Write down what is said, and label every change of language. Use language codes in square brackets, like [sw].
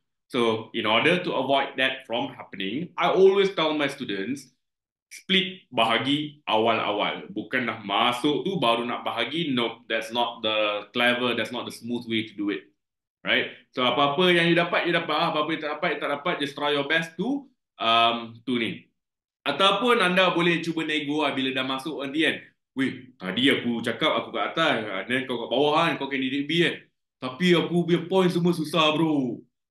[en] So, in order to avoid that from happening, I always tell my students, [ms] split bahagi awal-awal. Bukan dah masuk tu baru nak bahagi. [en] Nope, that's not the clever, that's not the smooth way to do it. Right? [ms] So apa-apa yang you dapat lah. Apa-apa yang tak dapat, [en] just try your best to [ms] tu ni. Ataupun anda boleh cuba nego lah bila dah masuk nanti kan. Weh, tadi aku cakap aku kat atas, then kau kat bawah kan, kau candidate B kan. Tapi aku punya point semua susah bro.